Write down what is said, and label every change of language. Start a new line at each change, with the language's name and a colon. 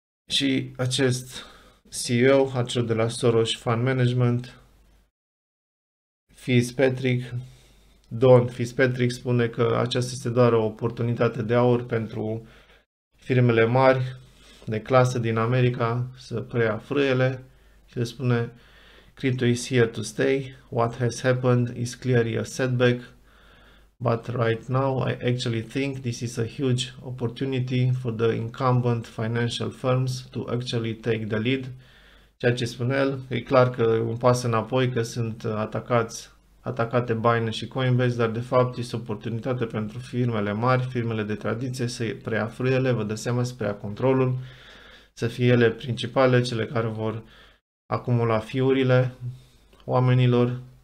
Romanian: Și acest CEO, acel de la Soros Fund Management, Don Fitzpatrick, spune că aceasta este doar o oportunitate de aur pentru firmele mari de clasă din America să preia frâiele și le spune:
English: Crypto is here to stay. What has happened is clearly a setback. But right now, I actually think this is a huge opportunity for the incumbent financial firms to actually take the lead.
Romanian: Ceea ce spune el, e clar că e un pas înapoi, că sunt atacate Binance și Coinbase, dar de fapt este o oportunitate pentru firmele mari, firmele de tradiție, să preia frâiele, vă dați seama, să preia controlul, să fie ele principale, cele care vor acumula fiurile oamenilor.